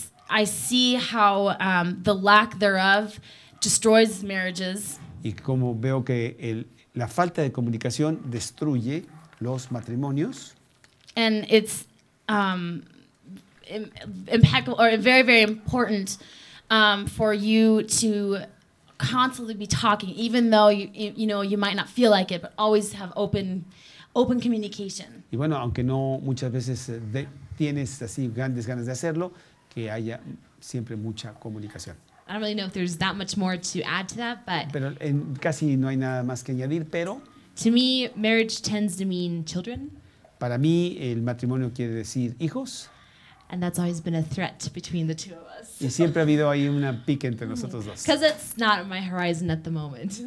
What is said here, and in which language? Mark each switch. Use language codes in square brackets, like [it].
[en] I see how the lack thereof destroys marriages. [es] Y como veo que la falta de comunicación destruye los matrimonios. [en] And it's impeccable or very, very important for you to constantly be talking, even though you know you might not feel like it, but always have open communication. [es] Y bueno, aunque no muchas veces tienes así grandes ganas de hacerlo, que haya siempre mucha comunicación. [en] I don't really know if there's that much more to add to that, but. [es] Pero casi no hay nada más que añadir, pero. [en] To me, marriage tends to mean children. [es] Para mí, el matrimonio quiere decir hijos. [en] And that's always been a threat between the two of us. [es] Y siempre ha habido ahí una pique entre nosotros dos. [en] Because it's not my horizon at the moment.